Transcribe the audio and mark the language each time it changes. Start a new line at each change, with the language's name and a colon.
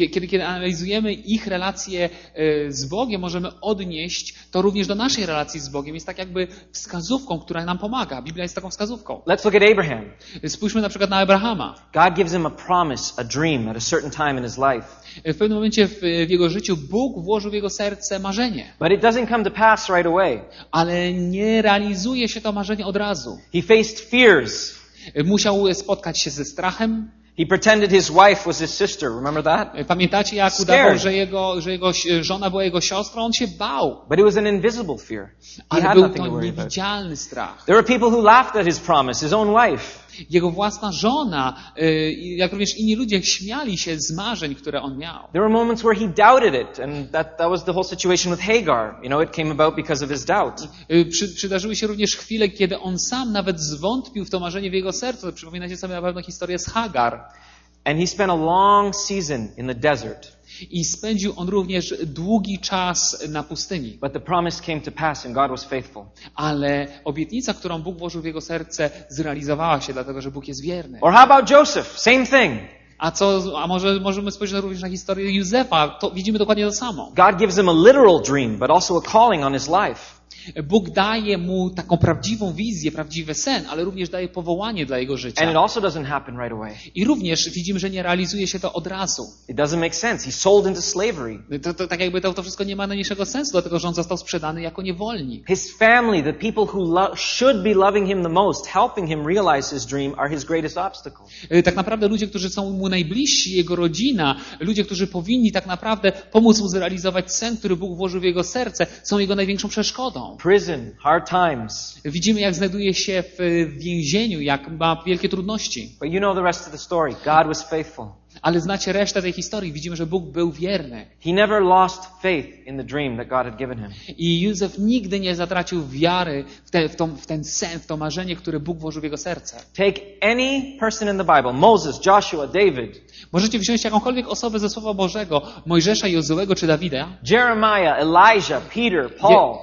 Polish: Kiedy analizujemy ich relacje z Bogiem, możemy odnieść to również do naszej relacji z Bogiem. Jest tak jakby wskazówką, która nam pomaga. Biblia jest taką wskazówką.
English: Let's look at Abraham.
Polish: Spójrzmy na przykład na Abrahama.
English: God gives him a promise, a dream at a certain time in his life.
Polish: W pewnym momencie w jego życiu Bóg włożył w jego serce marzenie.
English: But it doesn't come to pass right away.
Polish: Ale nie realizuje się to marzenie od razu.
English: He faced fears.
Polish: Musiał spotkać się ze strachem.
English: He pretended his wife was his sister. Remember that?
Polish: Pamiętacie, jak udawał, że jego żona była jego siostrą? On się bał.
English: But it was an invisible fear.
Polish: Ale był to niewidzialny strach.
English: There were people who laughed at his promise, his own wife.
Polish: Jego własna żona, jak również inni ludzie, śmiali się z marzeń, które on miał.
English: There were moments where he doubted it, and that was the whole situation with Hagar. You know, it came about because of his doubt.
Polish: Przydarzyły się również chwile, kiedy on sam nawet zwątpił w to marzenie w jego sercu. Przypominacie sobie na pewno historię z Hagar.
English: And he spent a long season in the desert.
Polish: I spędził on również długi czas na pustyni.
English: But the promise came to pass and God was faithful.
Polish: Ale obietnica, którą Bóg włożył w jego serce, zrealizowała się, dlatego że Bóg jest wierny.
English: Or how about Joseph? Same thing.
Polish: A może możemy spojrzeć również na historię Józefa? To widzimy dokładnie to samo.
English: God gives him a literal dream, but also a calling on his life.
Polish: Bóg daje mu taką prawdziwą wizję, prawdziwy sen, ale również daje powołanie dla jego życia.
English: And it also doesn't happen right away.
Polish: I również widzimy, że nie realizuje się to od razu.
English: It doesn't make sense. He's sold into slavery.
Polish: To tak jakby to wszystko nie ma najmniejszego sensu, dlatego że on został sprzedany jako niewolnik.
English: His family, the people who should be loving him the most, helping him realize his dream, are his greatest obstacle.
Polish: Tak naprawdę ludzie, którzy są mu najbliżsi, jego rodzina, ludzie, którzy powinni tak naprawdę pomóc mu zrealizować sen, który Bóg włożył w jego serce, są jego największą przeszkodą.
English: Prison, hard times.
Polish: Widzimy, jak znajduje się w więzieniu, jak ma wielkie trudności.
English: But you know the rest of the story. God was faithful.
Polish: Ale znacie resztę tej historii. Widzimy, że Bóg był wierny.
English: He never lost faith in the dream that God had given him.
Polish: I Józef nigdy nie zatracił wiary w ten sen, w to marzenie, które Bóg włożył w jego serce.
English: Take any person in the Bible, Moses, Joshua, David.
Polish: Możecie wziąć jakąkolwiek osobę ze Słowa Bożego, Mojżesza, Jozuego czy Dawida.
English: Jeremiah, Elijah, Peter, Paul.